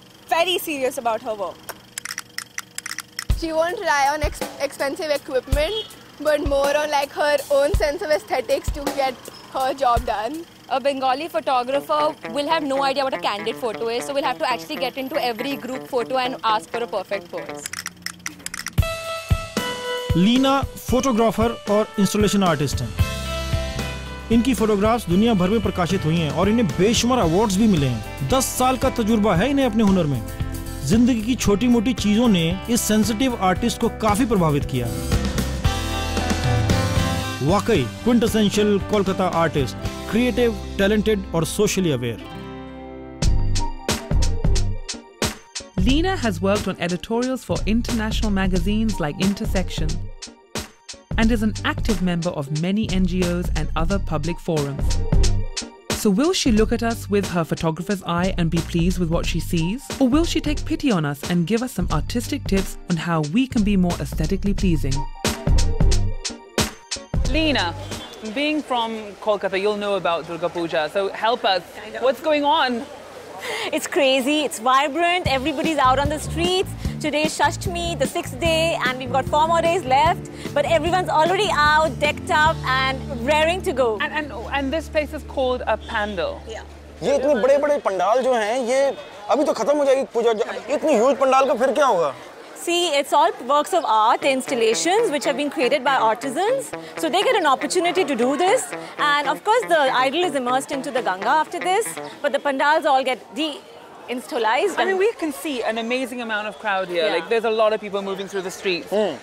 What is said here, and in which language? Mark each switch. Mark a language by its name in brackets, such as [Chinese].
[English] Very serious about her work. She won't rely on expensive equipment, but more on like her own sense of aesthetics to get her job done. A Bengali photographer will have no idea what a candid photo is, so we'll have to actually get into every group photo and ask for a perfect pose. Leena, photographer and installation artist. [Hindi] इनकी photographs दुनिया भर में प्रकाशित हुई हैं और इन्हें बेशुमार अवार्ड्स भी मिले हैं। 10 साल का तजुर्बा है इन्हें अपने हुनर में। जिंदगी की छोटी मोटी चीजों ने इस सेंसिटिव आर्टिस्ट को काफी प्रभावित किया। वाकई quintessential Kolkata artist, creative, talented और socially aware. [English] Leena has worked on editorials for international magazines like Intersection. And is an active member of many NGOs and other public forums. So will she look at us with her photographer's eye and be pleased with what she sees? Or will she take pity on us and give us some artistic tips on how we can be more aesthetically pleasing? Leena, being from Kolkata, you'll know about Durga Puja. So help us. What's going on? It's crazy. It's vibrant. Everybody's out on the streets. Today is Shashtami, the sixth day, and we've got four more days left. But everyone's already out, decked up, and raring to go. And this place is called a pandal. Yeah. [Hindi] ये इतने बड़े-बड़े पंडाल जो हैं, ये अभी तो खत्म हो जाएगी पूजा. इतनी huge पंडाल का फिर क्या होगा? [English] See, it's all works of art, installations which have been created by artisans. So they get an opportunity to do this. And of course, the idol is immersed into the Ganga after this. But the pandals all get de-installized. I mean, we can see an amazing amount of crowd here. Yeah. Like, there's a lot of people moving through the streets. Mm.